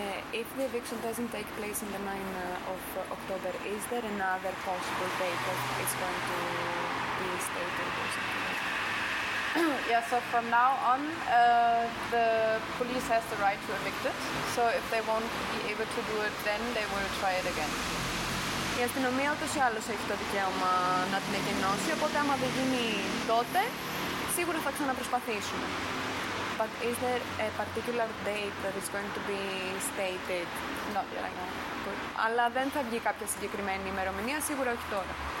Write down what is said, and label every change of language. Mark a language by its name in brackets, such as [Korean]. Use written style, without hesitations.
[English] If the eviction doesn't take place in the 9th of October, is there another possible date that is going to be stated or something? Yeah, so from now on, the police has the right to evict it. So if they won't be able to do it then, they will try it again. [Greek] Η αστυνομία ούτως ή άλλως έχει το δικαίωμα να την εκενώσει, οπότε άμα δεν γίνει τότε, σίγουρα θα ξαναπροσπαθήσουμε. [English] But is there a particular date that is going to be stated? Not yet, I know. Good. [Greek] Αλλά δεν θα βγει κάποια συγκεκριμένη ημερομηνία, σίγουρα όχι τώρα.